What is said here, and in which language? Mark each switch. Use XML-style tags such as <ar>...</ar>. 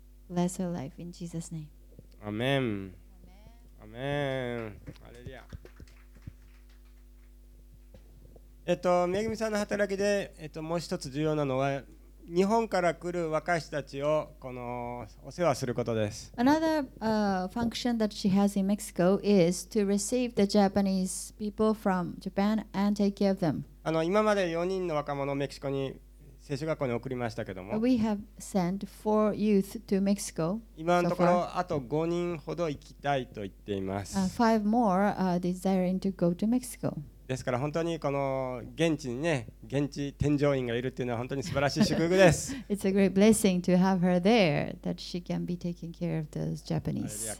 <en>Bless your life in Jesus' name.</en> <ja>アメン、アメン、アレリア。めぐみさんの働きで、もう一つ重要なのは、日本から来る若い人たちをこのお世話することです。</ja> <en>Another function that she has in Mexico is to receive the Japanese people from Japan and take care of them.</en> <ja>今まで4人の若者をメキシコに聖書学校に送りましたけども、</ja> <en>We have sent 4 youth to Mexico.</en> <ja>今のところあと5人ほど行きたいと言っています。</ja> <en>5 more are desiring to go to Mexico.</en> <ja>ですから本当にこの現地にね、現地添乗員がいるっていうのは本当に素晴らしい祝福です。</ja> <en>It's a great blessing to have her there, that she can be taking care of those Japanese.</en>